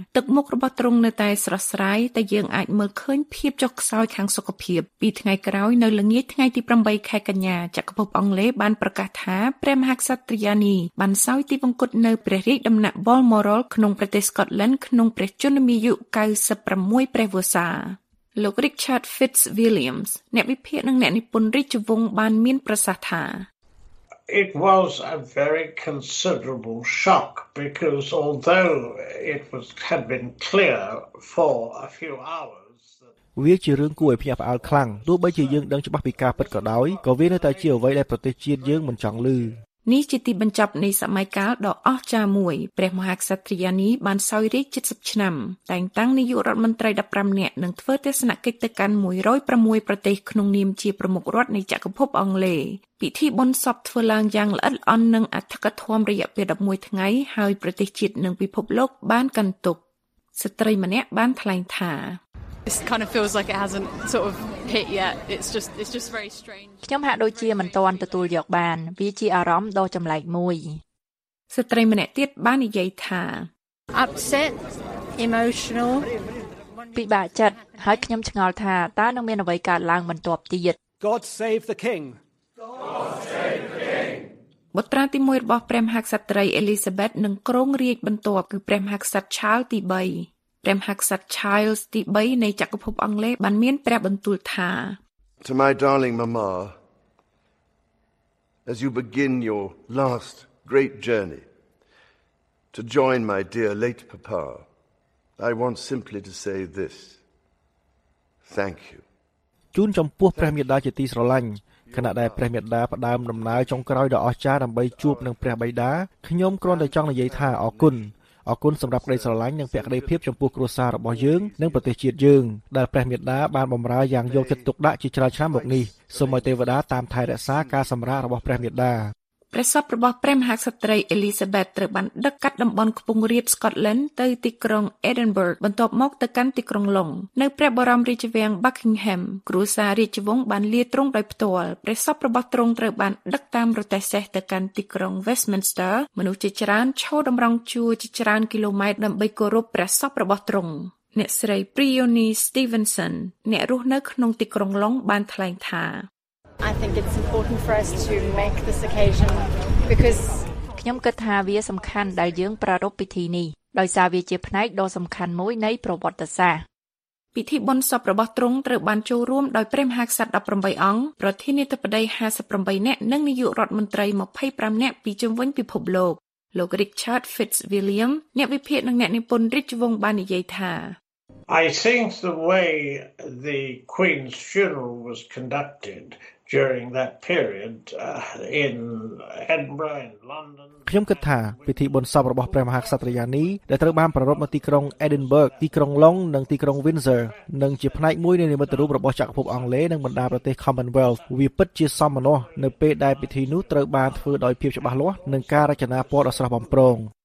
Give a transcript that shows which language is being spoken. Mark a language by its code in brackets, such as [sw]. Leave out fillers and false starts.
[km] ទឹកមុខរបស់ទ្រង់នៅតែស្រស់ស្រាយតែយើងអាចមើលឃើញភាពចុះខ្សោយខាងសុខភាពពីថ្ងៃក្រោយនៅល្ងាចថ្ងៃទី8ខែកញ្ញាចក្រភពអង់គ្លេសបានប្រកាសថាព្រះមហាក្សត្រីយ៉ានីបានសោយទីវង្គតនៅព្រះរាជដំណាក់ Balmoral ក្នុងប្រទេស Scotland ក្នុងព្រះជន្មាយុ96ព្រះវស្សាលោក Richard Fitzwilliams អ្នកវិភាគនិងអ្នកនិពន្ធរាជវង្សបានមានប្រសាសន៍ថា [en] It was a very considerable shock because although it was had been clear for a few hours [km] វាជារឿងគួរឲ្យភ្ញាក់ផ្អើលខ្លាំងទោះបីជាយើងដឹងច្បាស់ពីការពិតក៏ដោយក៏វានៅតែជាអ្វីដែលប្រទេសជាតិយើងមិនចង់ឮ នេះជាទីបញ្ចប់នៃសម័យកាលដ៏អស្ចារ្យមួយព្រះមហាក្សត្រីយ៉ានីបានសោយរាជ70ឆ្នាំតែងតាំងនាយករដ្ឋមន្ត្រី15នាក់និងធ្វើទេសនកិច្ចទៅកាន់106ប្រទេសក្នុងនាមជាប្រមុខរដ្ឋនៃចក្រភពអង់គ្លេសពិធីបុណ្យសពធ្វើឡើងយ៉ាងល្អិតល្អន់និងអធិកធមរយៈពេល11ថ្ងៃហើយប្រទេសជាតិនិងពិភពលោកបានកាន់ទុក្ខស្ត្រីម្នាក់បានថ្លែងថា [en] It kind of feels like it hasn't sort of hit yet. It's just very strange. [km] ខ្ញុំហាក់ដូចជាមិនទាន់ទទួលយកបានវាជាអារម្មណ៍ដ៏ចម្លែកមួយ ស្ត្រីម្នាក់ទៀតបាននិយាយថា [en] upset, emotional. [km] ពិបាកចិត្តហើយខ្ញុំឆ្ងល់ថាតើនឹងមានអ្វីកើតឡើងបន្ទាប់ទៀត [en] God save the king. [km] បុត្រាទី1របស់ព្រះមហាក្សត្រីអេលីសាបេតនឹងគ្រងរាជបន្ទាប់គឺព្រះមហាក្សត្រឆាលទី3ព្រះមហាក្សត្រ Charles ទី3នៃចក្រភពអង់គ្លេសបានមានព្រះបន្ទូលថា [en] To my darling mama as you begin your last great journey to join my dear late papa I want simply to say this thank you [km] ជូនចំពោះព្រះមាតាជាទីស្រឡាញ់ខណៈដែលព្រះមាតាផ្ដើមដំណើរចុងក្រោយដ៏អស្ចារ្យដើម្បីជួបនឹងព្រះបិតាខ្ញុំគ្រាន់តែចង់និយាយថាអរគុណអរគុណសម្រាប់ក្តីស្រឡាញ់និងភក្តីភាពចំពោះគ្រួសាររបស់យើងនិងប្រទេសជាតិយើងដែលព្រះមេត្តាបានបម្រើយ៉ាងយកចិត្តទុកដាក់ជាច្រើនឆ្នាំមកនេះសូមឲ្យទេវតាតាមថែរក្សាការសម្រាលរបស់ព្រះមេត្តា ព្រះសពរបស់ព្រះមហាក្សត្រីអេលីសាបេតត្រូវបានដឹកកាត់តំបន់ខ្ពង់រាបស្កុតឡែនទៅទីក្រុងអេឌិនបឺកបន្ទាប់មកទៅកាន់ទីក្រុងឡុងនៅព្រះបរមរាជវាំងបាក់គីងហែមគ្រួសាររាជវង្សបានលាទ្រង់ដោយផ្ទាល់ព្រះសពរបស់ទ្រង់ត្រូវបានដឹកតាមរថសេះទៅកាន់ទីក្រុង Westminster មនុស្សជាច្រើនឈរតម្រង់ជួរជាច្រើនគីឡូម៉ែត្រដើម្បីគោរពព្រះសពរបស់ទ្រង់អ្នកស្រី Priyoni Stevenson អ្នករស់នៅក្នុងទីក្រុងឡុងបានថ្លែងថា [en] I think it's important for us to make this occasion because [km] ខ្ញុំគិតថាវាសំខាន់ដែលយើងប្រារព្ធពិធីនេះ ដោយសារវាជាផ្នែកដ៏សំខាន់មួយនៃប្រវត្តិសាស្ត្រ ពិធីបុណ្យសពរបស់ទ្រង់ត្រូវបានចូលរួមដោយព្រះមហាក្សត្រ18អង្គប្រធានាធិបតី58នាក់និងនាយករដ្ឋមន្ត្រី25នាក់ពីជុំវិញពិភពលោកលោក Richard Fitzwilliam អ្នកវិភាគនិងអ្នកនិពន្ធរាជវង្សបាននិយាយថា [en] I think the way the Queen's funeral was conducted during that period in Edinburgh in London [km] ខ្ញុំគិតថាពិធីបុណ្យសពរបស់ព្រះមហាក្សត្រយានីដែលត្រូវបានប្រារព្ធនៅទីក្រុង Edinburgh ទីក្រុង Long និងទីក្រុង Windsor និងជាផ្នែកមួយនៃនិមិត្តរូបរបស់ចក្រភពអង់គ្លេសនិងបណ្ដាប្រទេស Commonwealth វាពិតជាសមណោះនៅពេលដែលពិធីនោះត្រូវបានធ្វើដោយភាពច្បាស់លាស់និងការរចនាពណ៌ដ៏ស្រស់បំព្រង